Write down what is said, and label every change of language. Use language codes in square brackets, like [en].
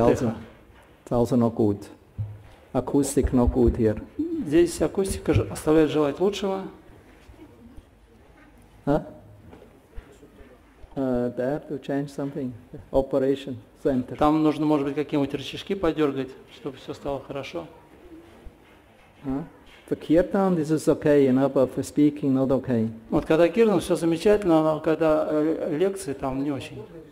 [en] also. It's also not good. Acoustic not good here. [ru] Здесь акустика оставляет желать лучшего. [en] There to change something. Operation center. [ru] Там нужно, может быть, какие-нибудь рычажки подергать, чтобы все стало хорошо. [en] For kirtan, this is okay, you know, but for speaking, not okay. [ru] Вот когда кирдан, все замечательно, но когда лекции, там не очень.